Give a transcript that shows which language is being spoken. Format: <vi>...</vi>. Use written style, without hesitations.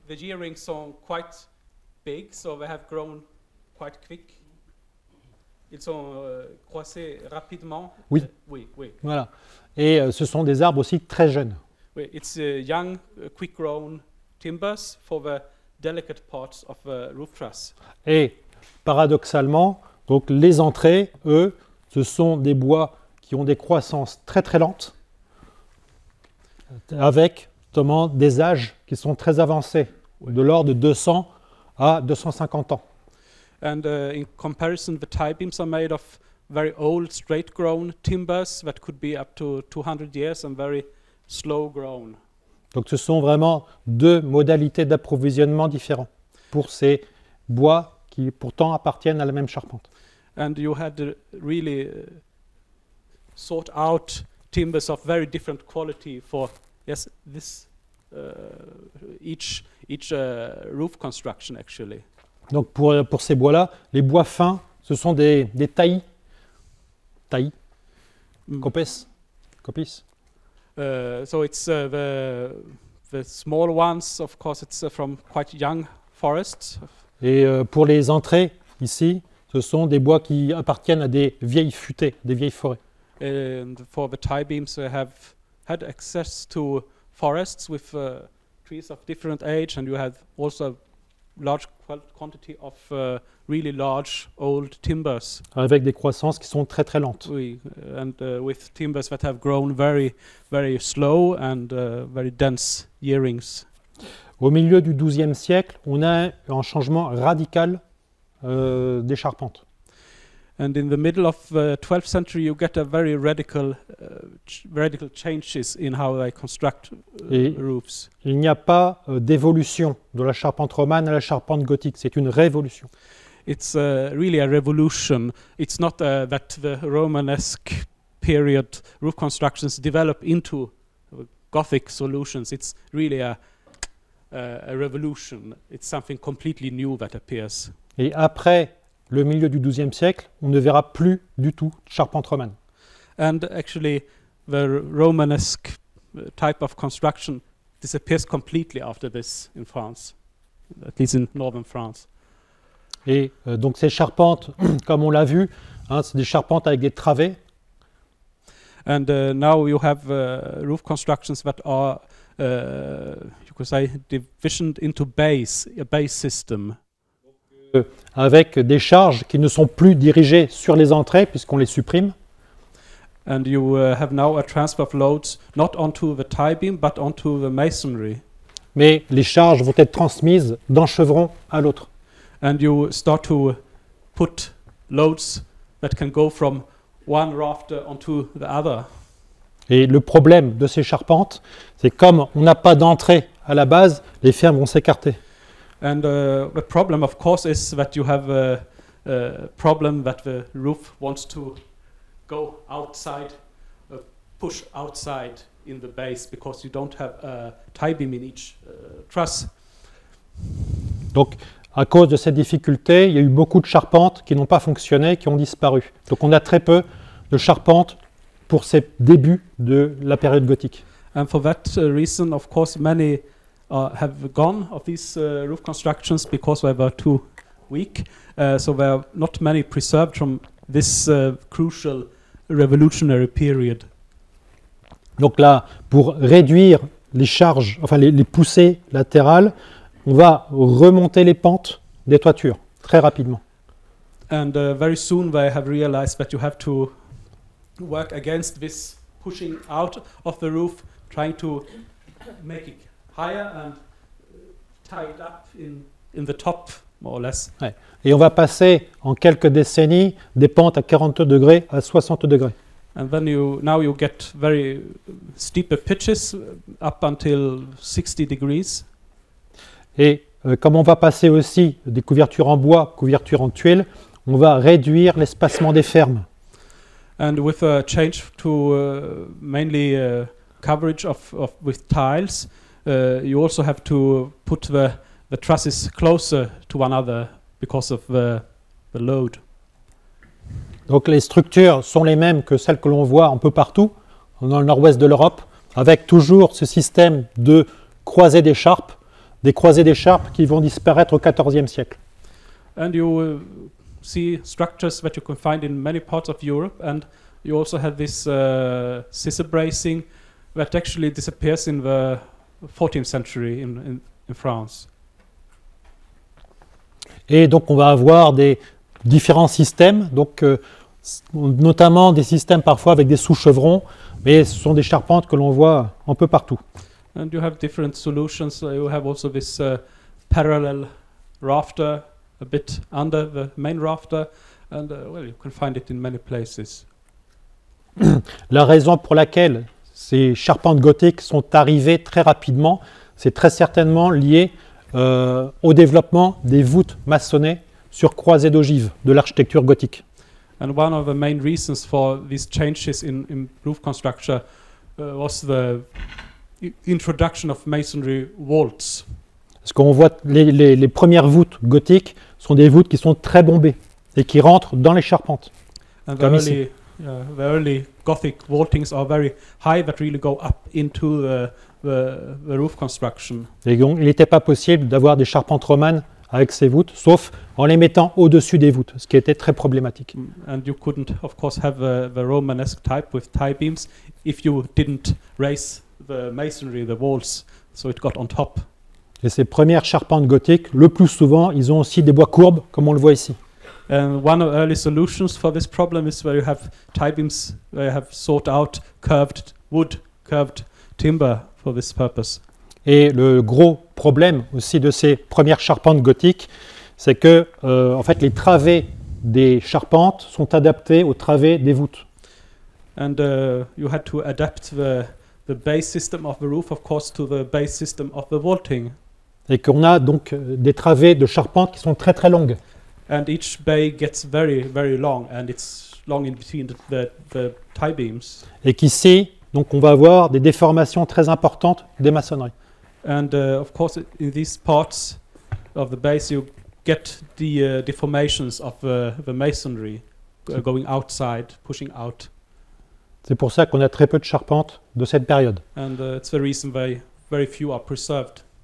<en>The gearings</en> <fr>sont</fr> <en>quite big, so they have grown quite quick.</en> <fr>Ils sont croissés rapidement. Oui. Oui, oui. Voilà. Et ce sont des arbres aussi très jeunes. Oui,</fr> <en>it's young, quick-grown timbers for the delicate parts of the roof truss.</en> <fr>Et paradoxalement, donc les entrées, eux, ce sont des bois qui ont des croissances très très lentes, avec notamment des âges qui sont très avancés, de l'ordre de 200 à 250 ans.</fr> <en>And in comparison, the tie beams are made of very old straight-grown timbers that could be up to 200 years and very slow-grown.</en> <fr>Donc ce sont vraiment deux modalités d'approvisionnement différentes pour ces bois qui pourtant appartiennent à la même charpente.</fr> <en>And you had really sought out timbers of very different quality for yes this each roof construction actually.</en> <fr>Donc pour ces bois-là, les bois fins, ce sont des taillis, copis.</fr> <en>So it's the small ones, of course, it's from quite young forests.</en> <fr>Et pour les entrées ici, ce sont des bois qui appartiennent à des vieilles futaies, des vieilles forêts.</fr> <en>And for the tie beams, we have had access to forests with trees of different age, and you have also large quantity of really large old timbers.</en> <fr>Avec des croissances qui sont très très lentes. Oui,</fr> <en>and with timbers that have grown very, very slow and very dense yearings.</en> <fr>Au milieu du XIIe siècle, on a un changement radical des charpentes.</fr> <en>And in the middle of the 12th century, you get a very radical, radical changes in how they construct roofs.</en> <fr>Il n'y a pas d'évolution de la charpente romane à la charpente gothique. C'est une révolution.</fr> <en>It's really a revolution. It's not that the Romanesque period roof constructions develop into Gothic solutions. It's really a revolution. It's something completely new that appears.</en> <fr>Et après le milieu du XIIe siècle, on ne verra plus du tout de charpente romane.</fr> <en>And actually, the Romanesque type of construction disappears completely after this in France, at least in northern France.</en> <fr>Et donc ces charpentes, comme on l'a vu, hein, c'est des charpentes avec des travées.</fr> <en>And now you have roof constructions that are, you could say, divisioned into bays, a bay system.</en> <fr>Avec des charges qui ne sont plus dirigées sur les entrées puisqu'on les supprime.</fr> <en>And you have now a transfer of loads not onto the tie beam but onto the masonry.</en> <fr>Mais les charges vont être transmises d'un chevron à l'autre.</fr> <en>And you start to put loads that can go from one rafter onto the other.</en> <fr>Et le problème de ces charpentes, c'est comme on n'a pas d'entrée à la base, les fermes vont s'écarter.</fr> <en>And the problem, of course, is that you have a problem that the roof wants to go outside, push outside in the base because you don't have a tie beam in each truss.</en> <fr>Donc, à cause de cette difficulté, il y a eu beaucoup de charpentes qui n'ont pas fonctionné, qui ont disparu. Donc, on a très peu de charpentes pour ces débuts de la période gothique.</fr> <en>And for that reason, of course, many have gone of these roof constructions because they were too weak. So there are not many preserved from this crucial revolutionary period.</en> <fr>Donc là, pour réduire les charges, enfin les poussées latérales, on va remonter les pentes des toitures très rapidement.</fr> <en>And very soon they have realized that you have to work against this pushing out of the roof, trying to make it higher and tied up in the top, more or less.</en> <fr>Ouais. Et on va passer en quelques décennies des pentes à 42 degrés à 60 degrés.</fr> <en>And then you now you get very steeper pitches up until 60 degrees.</en> <fr>Et comme on va passer aussi des couvertures en bois, couvertures en tuiles, on va réduire l'espacement des fermes.</fr> <en>And with a change to mainly coverage of with tiles, you also have to put the trusses closer to one another because of the load.</en> <fr>Donc les structures sont les mêmes que celles que l'on voit un peu partout dans le nord-ouest de l'Europe, avec toujours ce système de croisées d'écharpes, des croisées d'écharpes qui vont disparaître au XIVe siècle.</fr> <en>And you see structures that you can find in many parts of Europe, and you also have this scissor bracing that actually disappears in the 14th century in France.</en> <fr>Et donc on va avoir des différents systèmes, donc notamment des systèmes parfois avec des sous-chevrons, mais ce sont des charpentes que l'on voit un peu partout.</fr> <en>And you have different solutions. You have also this parallel rafter, a bit under the main rafter, and well, you can find it in many places.</en> <fr>La raison pour laquelle ces charpentes gothiques sont arrivées très rapidement, c'est très certainement lié au développement des voûtes maçonnées sur croisées d'ogives de l'architecture gothique.</fr> <en>And one of the main reasons for these changes in roof construction was the introduction of masonry vaults.</en> <fr>Parce qu'on voit les premières voûtes gothiques sont des voûtes qui sont très bombées et qui rentrent dans les charpentes.</fr> <en>And</en> <fr>comme</fr> <en>the early,</en> <fr>ici.</fr> <en>The early Gothic vaultings are very high that really go up into the roof construction.</en> <fr>Et donc, il n'était pas possible d'avoir des charpentes romanes avec ces voûtes, sauf en les mettant au-dessus des voûtes, ce qui était très problématique.</fr> <en>And you couldn't, of course, have the Romanesque type with tie beams if you didn't raise the masonry, the walls, so it got on top.</en> <fr>Et ces premières charpentes gothiques, le plus souvent, ils ont aussi des bois courbes, comme on le voit ici.</fr> <en>And one of the early solutions for this problem is where you have tie beams, where you have sought out curved wood, curved timber for this purpose.</en> <fr>Et le gros problème aussi de ces premières charpentes gothiques, c'est que en fait, les travées des charpentes sont adaptées aux travées des voûtes.</fr> <en>And you had to adapt the base system of the roof, of course, to the base system of the vaulting.</en> <fr>Et qu'on a donc des travées de charpentes qui sont très très longues.</fr> <en>And each bay gets very very long, and it's long in between the tie beams.</en> <fr>Et qu'ici, donc on va avoir des déformations très importantes des maçonneries.</fr> <en>And of course, in these parts of the base, you get the deformations of the masonry going outside, pushing out.</en> <fr>C'est pour ça qu'on a très peu de charpentes de cette période.</fr> <en>And it's the reason why very few are preserved.</en>